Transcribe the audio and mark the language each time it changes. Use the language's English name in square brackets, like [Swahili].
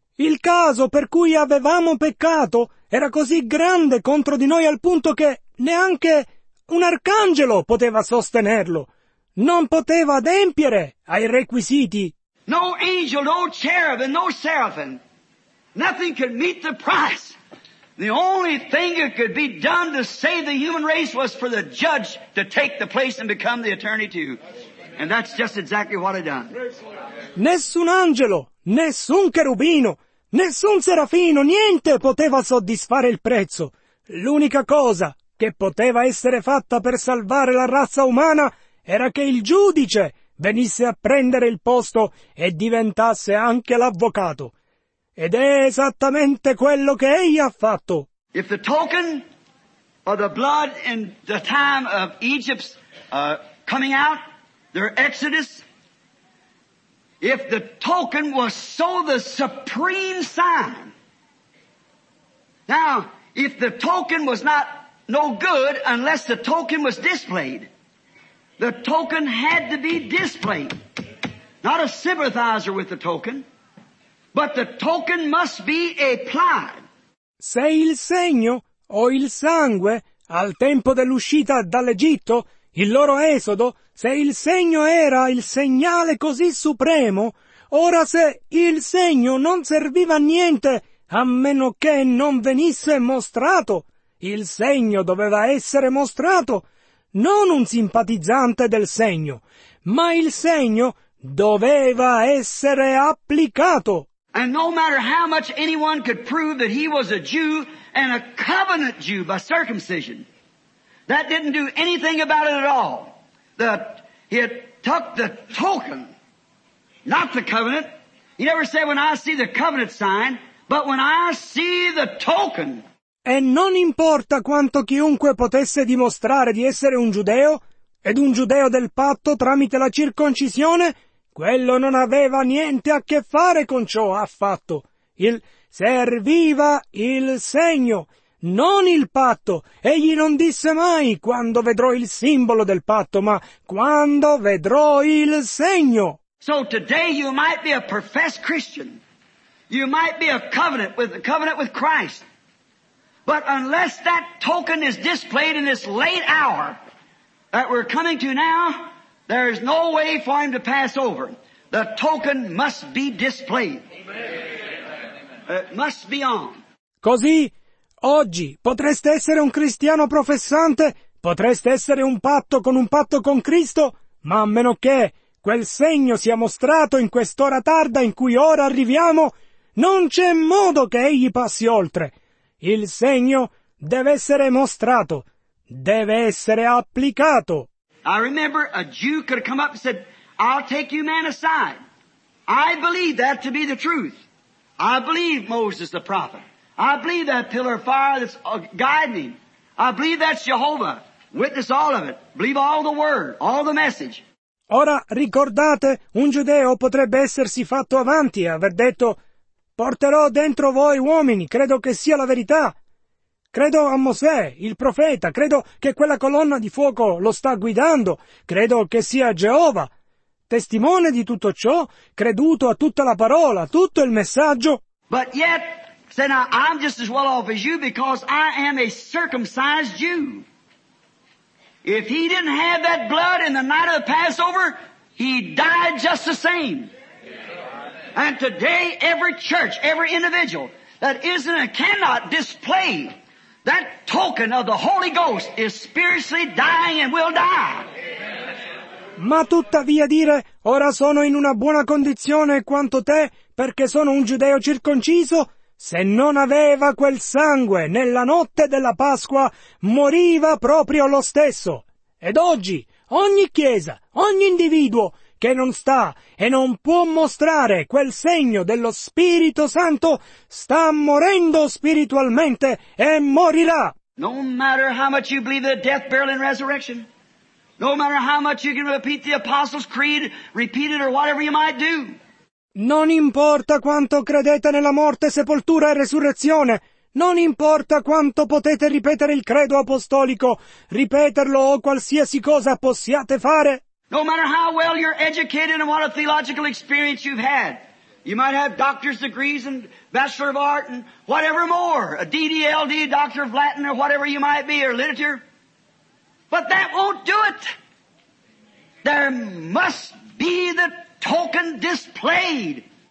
[Italian] Il caso per cui avevamo peccato era così grande contro di noi al punto che neanche un arcangelo poteva sostenerlo. Non poteva adempiere ai requisiti. [English] No angel, no cherubim, no seraphim. Nothing could meet the price. The only thing that could be done to save the human race was for the judge to take the place and become the attorney too. And that's just exactly what I done. [Italian] Nessun angelo, nessun cherubino, nessun serafino, niente poteva soddisfare il prezzo. L'unica cosa che poteva essere fatta per salvare la razza umana era che il giudice venisse a prendere il posto e diventasse anche l'avvocato. Ed è esattamente quello che egli ha fatto. [English] If the token of the blood in the time of Egypt's coming out, their exodus, if the token was so the supreme sign. Now, if the token was not no good unless the token was displayed, the token had to be displayed. Not a sympathizer with the token, but the token must be applied. [Italian] Se il segno o il sangue al tempo dell'uscita dall'Egitto, il loro esodo, se il segno era il segnale così supremo, ora se il segno non serviva a niente, a meno che non venisse mostrato, il segno doveva essere mostrato, non un simpatizzante del segno, ma il segno doveva essere applicato. [English] And no matter how much anyone could prove that he was a Jew and a covenant Jew by circumcision, that didn't do anything about it at all. That he had took the token, not the covenant. He never said, when I see the covenant sign, but when I see the token. [Italian] E non importa quanto chiunque potesse dimostrare di essere un giudeo, ed un giudeo del patto tramite la circoncisione, quello non aveva niente a che fare con ciò affatto. Il serviva il segno. Non il patto. Egli non disse mai quando vedrò il simbolo del patto, ma quando vedrò il segno. [English] So today you might be a professed Christian. You might be a covenant with Christ. But unless that token is displayed in this late hour that we're coming to now, There is no way for him to pass over. The token must be displayed. It must be on. [Italian] Così, oggi, potreste essere un cristiano professante, potreste essere un patto con Cristo, ma a meno che quel segno sia mostrato in quest'ora tarda in cui ora arriviamo, non c'è modo che egli passi oltre. Il segno deve essere mostrato, deve essere applicato. [English] I remember a Jew could come up and said, I'll take you man aside. I believe that to be the truth. I believe Moses the prophet. I believe that pillar of fire that's guiding him. I believe that's Jehovah. Witness all of it. Believe all the word, all the message. [Italian] Ora, ricordate, un giudeo potrebbe essersi fatto avanti e aver detto, porterò dentro voi uomini, credo che sia la verità. Credo a Mosè, il profeta, credo che quella colonna di fuoco lo sta guidando, credo che sia Geova. Testimone di tutto ciò, creduto a tutta la parola, a tutto il messaggio. [English] But yet, say now, I'm just as well off as you because I am a circumcised Jew. If he didn't have that blood in the night of the Passover, he died just the same. And today, every church, every individual that isn't and cannot display that token of the Holy Ghost is spiritually dying and will die. [Italian] Ma tuttavia dire, ora sono in una buona condizione quanto te, perché sono un giudeo circonciso, se non aveva quel sangue nella notte della Pasqua, moriva proprio lo stesso. Ed oggi, ogni chiesa, ogni individuo che non sta e non può mostrare quel segno dello Spirito Santo, sta morendo spiritualmente e morirà. [English] No matter how much you believe the death, burial, and resurrection, no matter how much you can repeat the Apostles' Creed, repeat it or whatever you might do. [Italian] Non importa quanto credete nella morte, sepoltura e resurrezione, non importa quanto potete ripetere il credo apostolico, ripeterlo o qualsiasi cosa possiate fare. [English] No matter how well you're educated and what a theological experience you've had, you might have doctor's degrees and bachelor of art and whatever more, a DDLD, doctor of Latin or whatever you might be, or literature. But that won't do it. There must be the token displayed.